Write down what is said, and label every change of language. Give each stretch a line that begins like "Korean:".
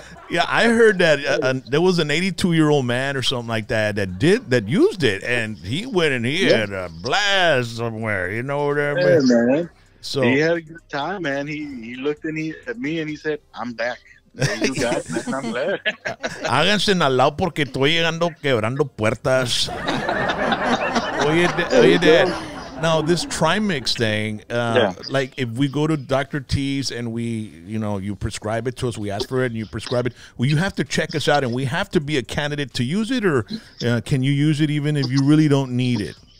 English: Yeah, I heard that there was an 82-year-old man or something like that that used it, and he went in here and had a blast somewhere. You know what I mean? Hey, man. So he had a good time, man. He looked at me and he said, "I'm back. You guys, I'm glad."
Spanish: Háganse al lado porque estoy llegando quebrando puertas.
English: Oye, Dad. Now this Trimix thing, like if we go to Dr. T's and we, you know, you prescribe it to us, we ask for it and you prescribe it, well, you have to check us out and we have to be a candidate to use it, or can you use it even if you really don't need it?